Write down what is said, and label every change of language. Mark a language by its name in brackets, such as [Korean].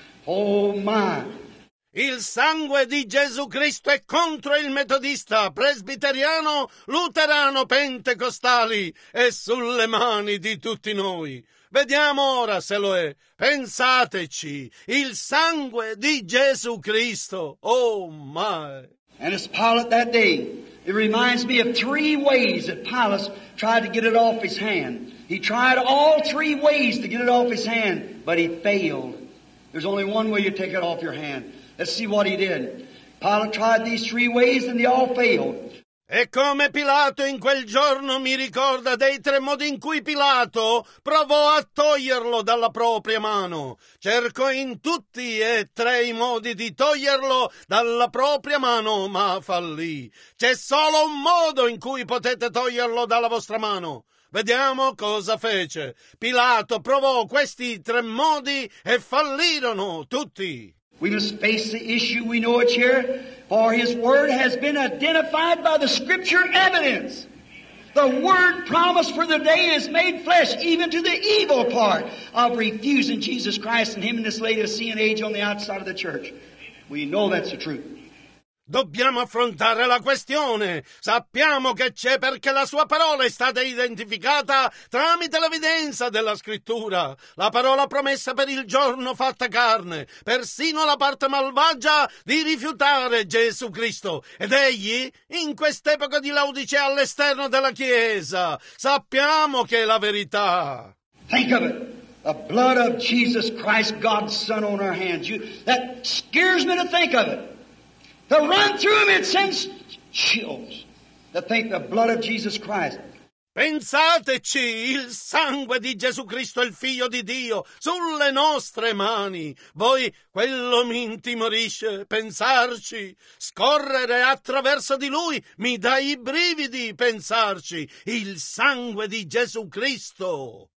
[English] Oh, my. [Italian] Il sangue di Gesù Cristo è contro il metodista, presbiteriano, luterano, pentecostali. È sulle mani di tutti noi. Vediamo ora se lo è. Pensateci. Il sangue di Gesù Cristo. [English] Oh, my. And it's Pilate that day. It reminds me of three ways that Pilate tried to get it off his hand. He tried all three ways to get it off his hand, but he failed. There's only one way you take it off your hand. Let's see what he did. Pilate tried these three ways, and they all failed. [Italian] E come Pilato in quel giorno mi ricorda dei tre modi in cui Pilato provò a toglierlo dalla propria mano. Cercò in tutti e tre i modi di toglierlo dalla propria mano, ma fallì. C'è solo un modo in cui potete toglierlo dalla vostra mano. Vediamo cosa fece. Pilato provò questi tre modi e fallirono tutti. [English] We must face the issue, we know it's here, for his word has been identified by the scripture evidence. The word promised for the day is made flesh, even to the evil part of refusing Jesus Christ and him in this Laodicean age on the outside of the church. We know that's the truth. [Italian] Dobbiamo affrontare la questione. Sappiamo che c'è perché la sua parola è stata identificata tramite l'evidenza della scrittura. La parola promessa per il giorno fatta carne, persino la parte malvagia di rifiutare Gesù Cristo. Ed egli, in quest'epoca di Laodicea all'esterno della Chiesa, sappiamo che è la verità. [English] Think of it. The blood of Jesus Christ, God's Son, on our hands. That scares me to think of it. To run through him, it sends chills. To think the blood of Jesus Christ. [Italian] Pensateci, il sangue di Gesù Cristo, il Figlio di Dio, sulle nostre mani. Voi, quello mi intimorisce, pensarci. Scorrere attraverso di lui mi dà i brividi, pensarci. Il sangue di Gesù Cristo.